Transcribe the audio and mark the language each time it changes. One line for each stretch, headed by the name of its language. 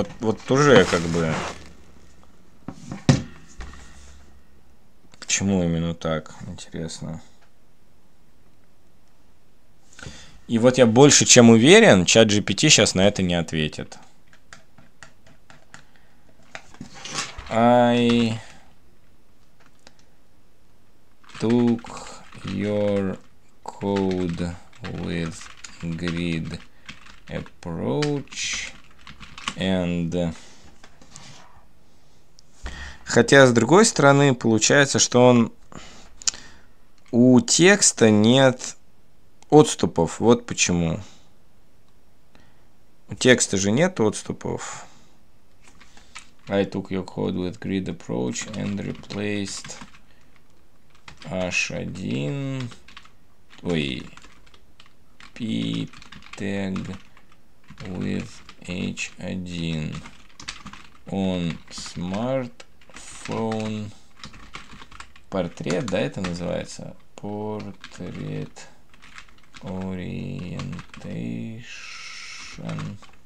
Russian: Вот уже как бы... Почему именно так, интересно? И вот я больше чем уверен, ChatGPT сейчас на это не ответит.
English: I took your code with grid approach and...
Russian: Хотя, с другой стороны, получается, что он... У текста нет отступов. Вот почему. У текста же нет отступов.
English: I took your code with grid approach and replaced H1, ой, P tag with H1 on smartphone
Russian: портрет, да, это называется портрет
English: orientation.